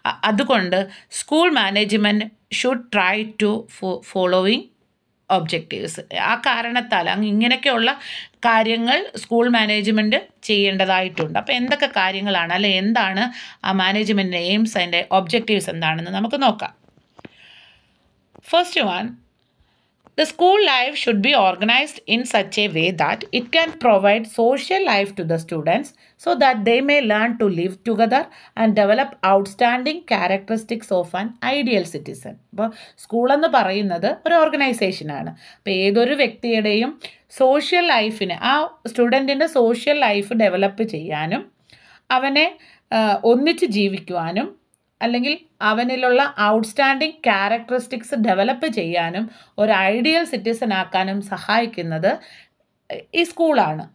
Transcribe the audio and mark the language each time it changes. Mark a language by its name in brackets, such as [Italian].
[English] അതുകൊണ്ട് school management should try to following objectives. [Malayalam] ആ കാരണത്താൽ അങ്ങ് ഇങ്ങനെയൊക്കെയുള്ള കാര്യങ്ങൾ സ്കൂൾ മാനേജ്മെൻറ്റ് ചെയ്യേണ്ടതായിട്ടുണ്ട്. അപ്പോൾ എന്തൊക്കെ കാര്യങ്ങളാണ് അല്ലെ, എന്താണ് ആ മാനേജ്മെൻറ്റിൻ്റെ എയിംസ്, അതിൻ്റെ ഒബ്ജക്റ്റീവ്സ് എന്താണെന്ന് നമുക്ക് നോക്കാം. [English] First one, The school life should be organized in such a way that it can provide social life to the students so that they may learn to live together and develop outstanding characteristics of an ideal citizen. [Malayalam] അപ്പോൾ school എന്ന് പറയുന്നത് ഒരു ഓർഗനൈസേഷനാണ്. അപ്പോൾ ഏതൊരു വ്യക്തിയുടെയും social ലൈഫിന്, ആ സ്റ്റുഡൻറ്റിൻ്റെ social life develop ചെയ്യാനും അവനെ ഒന്നിച്ച് ജീവിക്കുവാനും അല്ലെങ്കിൽ അവനിലുള്ള ഔട്ട്സ്റ്റാൻഡിംഗ് ക്യാരക്ടറിസ്റ്റിക്സ് ഡെവലപ്പ് ചെയ്യാനും ഒരു ഐഡിയൽ സിറ്റിസൺ ആക്കാനും സഹായിക്കുന്നത് ഈ സ്കൂളാണ്.